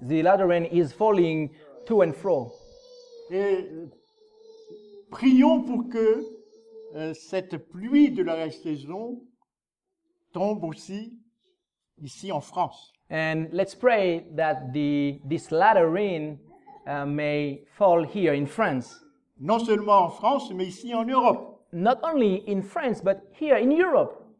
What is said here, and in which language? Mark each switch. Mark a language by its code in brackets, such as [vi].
[en] The latter rain is falling to and fro. [fr] Prions pour que cette pluie de la saison tombe aussi ici en France. [en] And let's pray that this latter rain may fall here in France. [fr] Non seulement en France, mais ici en Europe. [en] Not only in France, but here in Europe.